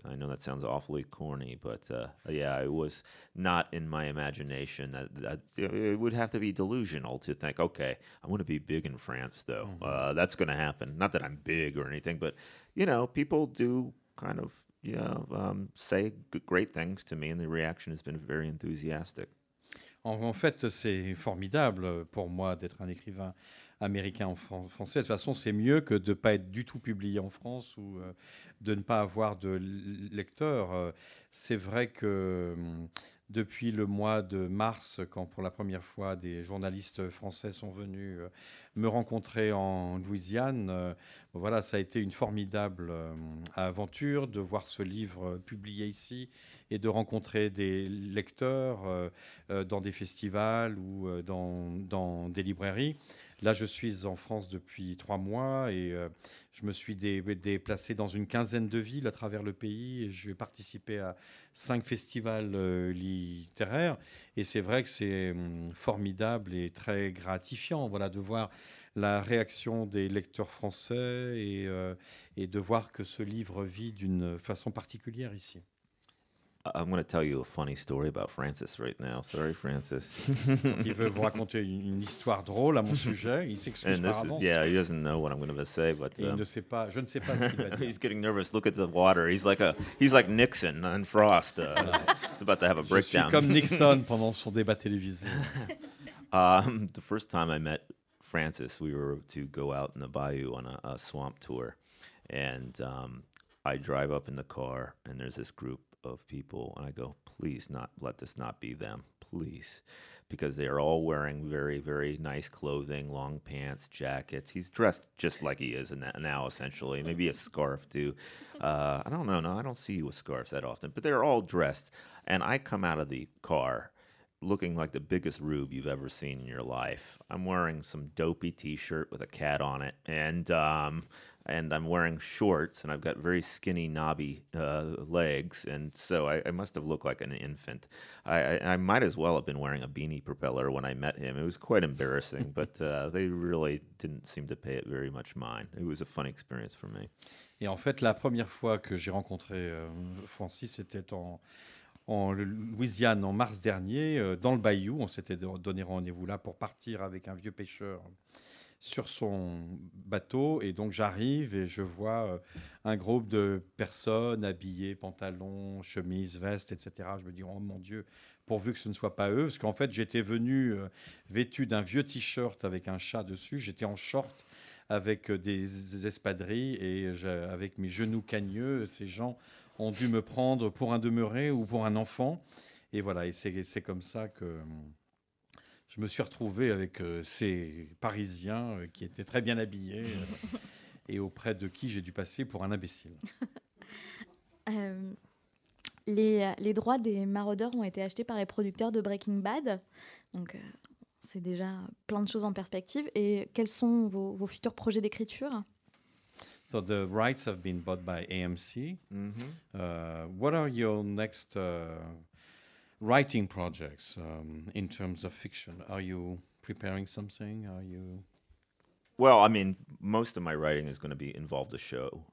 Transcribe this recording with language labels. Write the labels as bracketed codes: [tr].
[en] I know that sounds awfully corny, but it was not in my imagination. It would have to be delusional to think, okay, I want to be big in France, though. Mm-hmm. That's going to happen. Not that I'm big or anything, but, you know, people do kind of, say great things to me, and the reaction has been very enthusiastic. [fr] En fait, c'est formidable pour moi d'être un écrivain américain en français. De toute façon, c'est mieux que de ne pas être du tout publié en France ou de ne pas avoir de lecteurs. C'est vrai que depuis le mois de mars, quand pour la première fois des journalistes français sont venus me rencontrer en Louisiane, voilà, ça a été une formidable aventure de voir ce livre publié ici et de rencontrer des lecteurs dans des festivals ou dans des librairies. Là, je suis en France depuis 3 mois et je me suis déplacé dans une quinzaine de villes à travers le pays. Et j'ai participé à 5 festivals littéraires. Et c'est vrai que c'est formidable et très gratifiant, voilà, de voir la réaction des lecteurs français et de voir que ce livre vit d'une façon particulière ici. [en] I'm going to tell you a funny story about Francis right now. Sorry, Francis. [fr] Il veut vous raconter une histoire drôle à mon sujet. Il s'excuse par avance. [en] Yeah, he doesn't know what I'm going to say, but [fr] je ne sais pas ce qu'il va dire. [en] He's getting nervous. Look at the water. He's like Nixon on Frost. He's about to have a breakdown. [fr] Je suis comme Nixon pendant son débat télévisé. [en] The first time I met Francis, we were to go out in the bayou on a swamp tour, and I drive up in the car, and there's this group of people, and I go, please not let this not be them, please, because they are all wearing very, very nice clothing, long pants, jackets. He's dressed just like he is now, essentially, maybe a scarf too. I don't see you with scarves that often, but they're all dressed, and I come out of the car looking like the biggest rube you've ever seen in your life. I'm wearing some dopey t-shirt with a cat on it, and I'm wearing shorts, and I've got very skinny, knobby legs, and so I must have looked like an infant. I might as well have been wearing a beanie propeller when I met him. It was quite embarrassing, but they really didn't seem to pay it very much mind. It was a fun experience for me. [fr] Et en fait, la première fois que j'ai rencontré Francis, c'était en Louisiane, en mars dernier, dans le Bayou. On s'était donné rendez-vous là pour partir avec un vieux pêcheur sur son bateau. Et donc, j'arrive et je vois un groupe de personnes habillées, pantalons, chemises, vestes, etc. Je me dis, oh mon Dieu, pourvu que ce ne soit pas eux. Parce qu'en fait, j'étais venu vêtu d'un vieux t-shirt avec un chat dessus. J'étais en short avec des espadrilles et avec mes genoux cagneux, ces gens ont dû me prendre pour un demeuré ou pour un enfant. Et voilà, et c'est comme ça que je me suis retrouvé avec ces Parisiens qui étaient très bien habillés et auprès de qui j'ai dû passer pour un imbécile. Les droits des maraudeurs ont été achetés par les producteurs de Breaking Bad. Donc, c'est déjà plein de choses en perspective. Et quels sont vos futurs projets d'écriture ? [en] So the rights have been bought by AMC. Mm-hmm. What are your next writing projects in terms of fiction? Are you preparing something? Are you... Well, I mean, most of my writing is going to be involved the show.